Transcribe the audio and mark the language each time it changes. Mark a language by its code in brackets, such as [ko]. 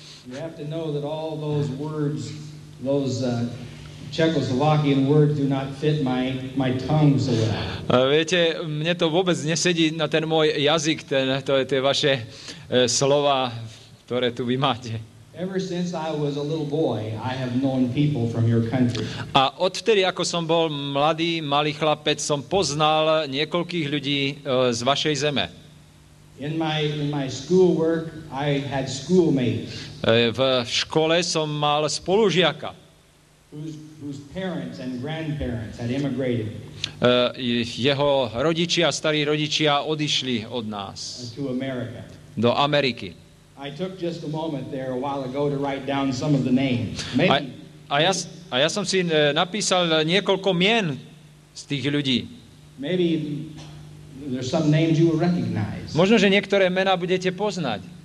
[en] You have to know that all those words, those Czechoslovakian words do not fit my tongue so well. [sk] Viete, mne to vôbec nesedí na ten môj jazyk, tie vaše slova, ktoré tu vy máte. [en] Ever since I was a little boy, I have known people from your country. [sk] A odvtedy, ako som bol mladý, malý chlapec, som poznal niekoľkých ľudí z vašej zeme. [en] In my school work, I had schoolmates. [sk] V škole som mal spolužiaka. [en] Whose parents and grandparents had immigrated. [sk] Jeho rodičia, starí rodičia odišli od nás. [en] To America. [sk] Do Ameriky. [en] I took just a moment there a while ago to write down some of the names. Maybe. [sk] A ja som si napísal niekoľko mien z tých ľudí. [en] Maybe there's some names you will recognize. [sk] Možno, že niektoré mená budete poznať.